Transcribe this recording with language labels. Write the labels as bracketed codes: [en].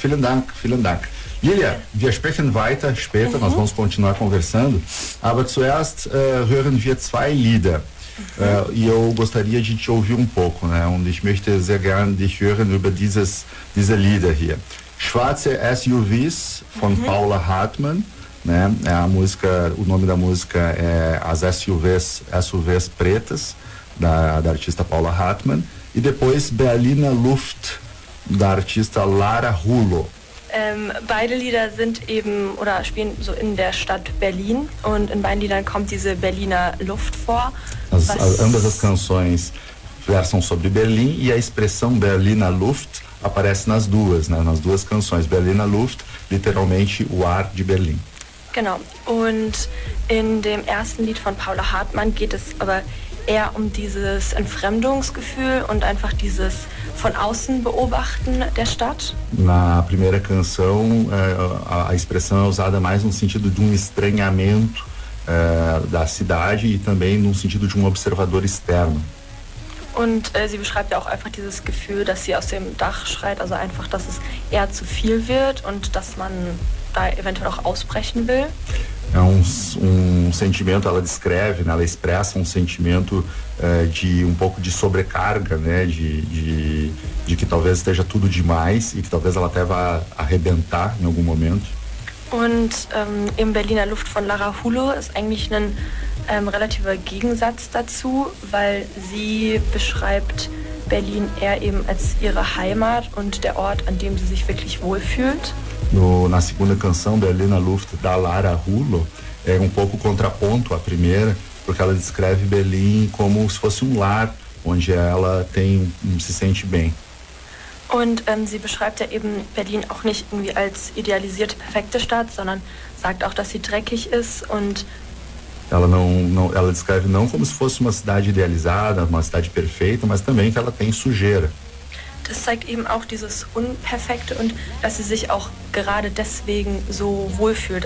[de] Vielen Dank, vielen Dank. Lilia, wir sprechen weiter später, [pt] nós vamos continuar conversando, [de] aber zuerst hören wir zwei Lieder. [pt] Eu gostaria de te ouvir um pouco, né? [de] Und ich möchte sehr gerne dich hören über diese Lieder hier. Schwarze SUVs von Paula Hartmann, né? [pt] O nome da música é As SUVs Pretas, da artista Paula Hartmann. E depois Berliner Luft, da artista Lara Hulo. [de] Beide Lieder sind eben oder spielen so in der Stadt Berlin und in beiden Liedern kommt diese Berliner Luft vor. [pt] Ambas as canções versam sobre Berlim e a expressão Berliner Luft aparece nas duas, né? Nas duas canções. Berliner Luft, literalmente o ar de Berlim. [de] Genau. Und in dem ersten Lied von Paula Hartmann geht es aber eher um dieses Entfremdungsgefühl und einfach dieses von außen beobachten der Stadt. [pt] Na primeira canção, a expressão é usada mais no sentido de estranhamento da cidade e também no sentido de observador externo. [de] Und sie beschreibt ja auch einfach dieses Gefühl, dass sie aus dem Dach schreit, also einfach, dass es eher zu viel wird und dass man da eventuell auch ausbrechen will. [pt] É sentimento, ela descreve, né, ela expressa sentimento de pouco de sobrecarga, né, de que talvez esteja tudo demais e que talvez ela até vá arrebentar em algum momento. [de] Und im Berliner Luft von Lara Hulo ist eigentlich ein relativer Gegensatz dazu, weil sie beschreibt Berlin eher eben als ihre Heimat und der Ort, an dem sie sich wirklich wohlfühlt. [pt] Na segunda canção, Berliner Luft, da Lara Hulo, é pouco contraponto à primeira, porque ela descreve Berlim como se fosse lar, onde ela se sente bem. [de] Und sie beschreibt ja eben Berlin auch nicht irgendwie als idealisierte, perfekte Stadt, sondern sagt auch, dass sie dreckig ist und... [pt] Ela descreve não como se fosse uma cidade idealizada, uma cidade perfeita, mas também que ela tem sujeira. [de] Das zeigt eben auch dieses Unperfekte und dass sie sich auch gerade deswegen so wohlfühlt.